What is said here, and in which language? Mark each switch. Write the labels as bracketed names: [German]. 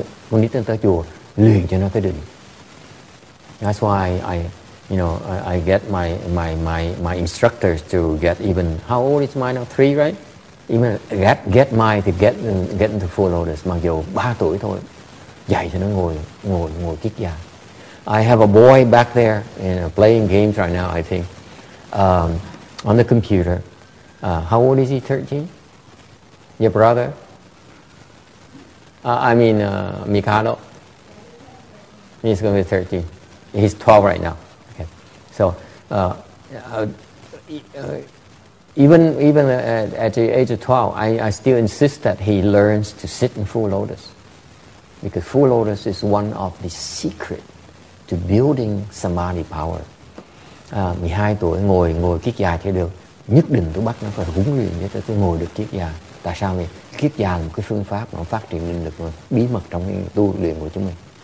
[Vietnamese] Con nít nó tới chùa, luyện cho nó cái định. [English] That's why I get my instructors to get even, how old is mine now? 3, right? Even get into full lotus, [Vietnamese] mặc dù 3 tuổi thôi, dạy cho nó ngồi kiết già. [English] I have a boy back there, playing games right now, I think, on the computer. How old is he, 13? Your brother? Mikado? He's going to be 13. He's 12 right now. So, even at the age of 12, I still insist that he learns to sit in full lotus, because full lotus is one of the secret to building samadhi power. [Vietnamese] 12 tuổi ngồi kiết già thì được, nhất định tôi bắt nó phải huấn luyện cho tôi ngồi được kiết già. Tại sao vậy? Kiết già là một cái phương pháp mà nó phát triển linh lực bí mật trong cái tu luyện của chúng mình.